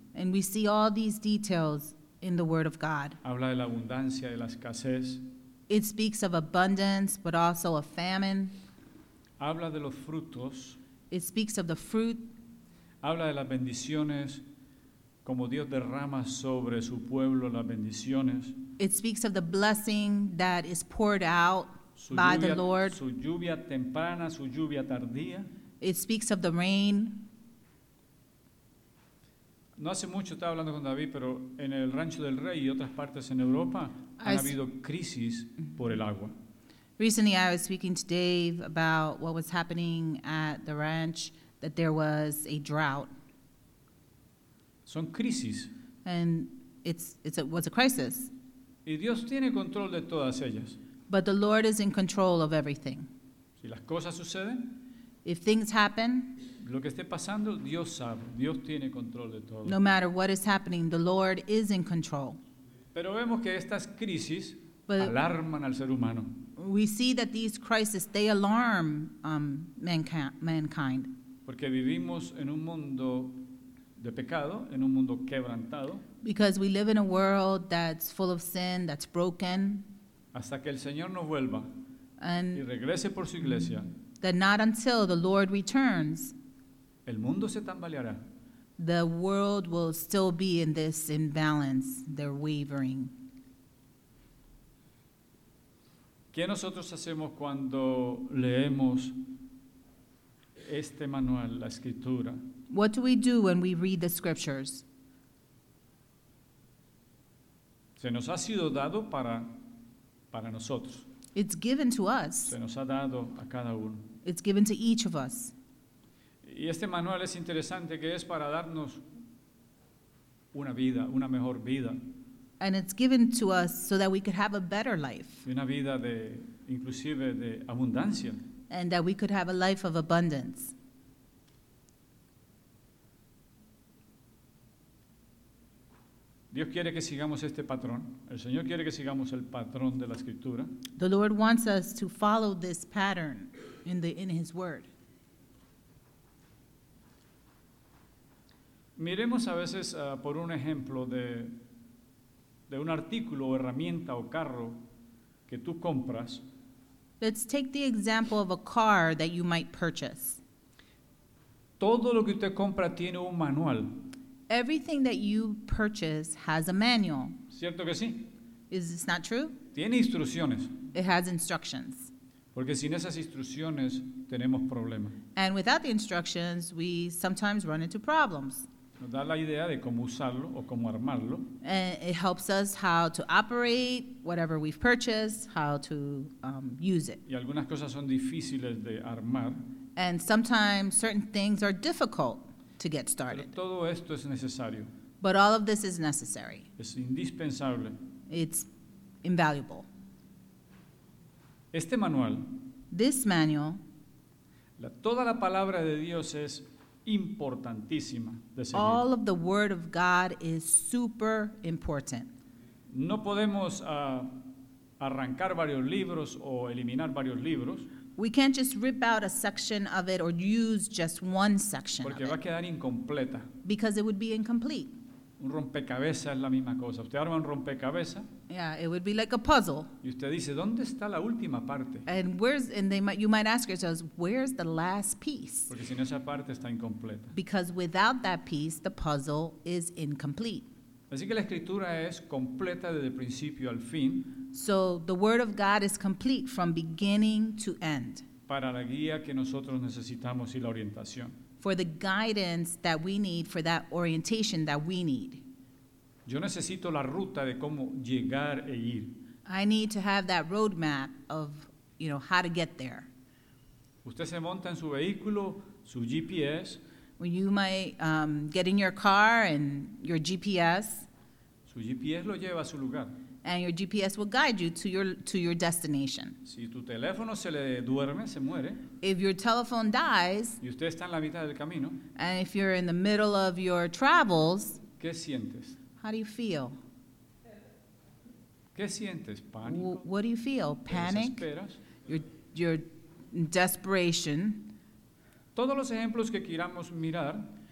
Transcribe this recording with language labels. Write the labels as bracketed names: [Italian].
[English] And we see all these details in the Word of God. [Spanish] Habla de la abundancia, de la escasez. [English] It speaks of abundance, but also of famine. [Spanish] Habla de los frutos. [English] It speaks of the fruit. [Spanish] Habla de las bendiciones, como Dios derrama sobre su pueblo las bendiciones. [English] It speaks of the blessing that is poured out by the Lord. [Spanish] Su lluvia temprana, su lluvia tardía. [English] It speaks of the rain. [Spanish] No hace mucho estaba hablando con David, pero en el Rancho del Rey y otras partes en Europa han habido crisis por el agua. [English] Recently I was speaking to Dave about what was happening at the ranch, that there was a drought. [Spanish] Son crisis. [English] And it was a crisis. [Spanish] Y Dios tiene control de todas ellas. [English] But the Lord is in control of everything. [Spanish] Si las cosas suceden, [English] if things happen, [Spanish] lo que esté pasando, Dios sabe. Dios tiene control de todo. [English] No matter what is happening, the Lord is in control. [Spanish] Pero vemos que estas crisis alarman al ser humano. [English] We see that these crises, they alarm mankind. [Spanish] Porque vivimos en un mundo de pecado, en un mundo quebrantado. [English] Because we live in a world that's full of sin, that's broken. [Spanish] Hasta que el Señor nos vuelva y regrese por su iglesia. [English] That not until the Lord returns, [Spanish] el mundo se tambaleará. [English] The world will still be in this imbalance, they're wavering. [Spanish] ¿Qué nosotros hacemos cuando leemos este manual, la escritura? [English] What do we do when we read the scriptures? [Spanish] Se nos ha sido dado para nosotros. [English] It's given to us. [Spanish] Se nos ha dado a cada uno. [English] It's given to each of us. [Spanish] Y este manual es interesante que es para darnos una vida, una mejor vida. [English] And it's given to us so that we could have a better life. [Spanish] Una vida de, inclusive de abundancia. [English] And that we could have a life of abundance. [Spanish] Dios quiere que sigamos este patrón. El Señor quiere que sigamos el patrón de la Escritura. [English] The Lord wants us to follow this pattern in His Word. [Spanish] Miremos a veces por un ejemplo de un artículo o herramienta o carro que tú compras. [English] Let's take the example of a car that you might purchase. [Spanish] Todo lo que usted compra tiene un manual. [English] Everything that you purchase has a manual. [Spanish] ¿Cierto que sí? [English] Is this not true? [Spanish] Tiene instrucciones. [English] It has instructions. [Spanish] Porque sin esas instrucciones tenemos problemas. [English] And without the instructions, we sometimes run into problems. [Spanish] Nos da la idea de cómo usarlo o cómo armarlo. [English] And it helps us how to operate whatever we've purchased, how to use it. [Spanish] Y algunas cosas son difíciles de armar. [English] And sometimes certain things are difficult to get started. [Spanish] Pero todo esto es necesario. [English] But all of this is necessary. [Spanish] Es indispensable. [English] It's invaluable. [Spanish] Este manual. [English] This manual. [Spanish] Toda la palabra de Dios es importantísima de seguir. [English] All of the word of God is super important. [Spanish] No podemos arrancar varios libros o eliminar varios libros. [English] We can't just rip out a section of it or use just one section. [Spanish] Porque [English] of [Spanish] va [English] it. [Spanish] A quedar incompleta. [English] Because it would be incomplete. [Spanish] Un rompecabezas es la misma cosa. Usted arma un rompecabezas. [English] Yeah, it would be like a puzzle. [Spanish] Y usted dice, ¿dónde está la última parte? [English] And where's and they might you might ask yourselves, where's the last piece? [Spanish] Porque sin esa parte está incompleta. [English] Because without that piece, the puzzle is incomplete. [Spanish] Así que la escritura es completa desde principio al fin. [English] So the word of God is complete from beginning to end. [Spanish] Para la guía que nosotros necesitamos y la orientación. [English] For the guidance that we need, for that orientation that we need. [Spanish] Yo necesito la ruta de cómo llegar e ir. [English] I need to have that roadmap of, you know, how to get there. [Spanish] Usted se monta en su vehículo, su GPS. [English] When you might get in your car and your GPS. [Spanish] Su GPS lo lleva a su lugar. [English] And your GPS will guide you to your destination. [Spanish] Si tu teléfono se le duerme, se muere. [English] If your telephone dies. [Spanish] Y usted está en la mitad del camino. [English] And if you're in the middle of your travels. [Spanish] ¿Qué sientes? [English] How do you feel? [Spanish] ¿Qué sientes? Pánico. [English] What do you feel? Panic. [Spanish] Desesperas. [English] Your desperation. [Spanish] Todos los ejemplos que queramos mirar.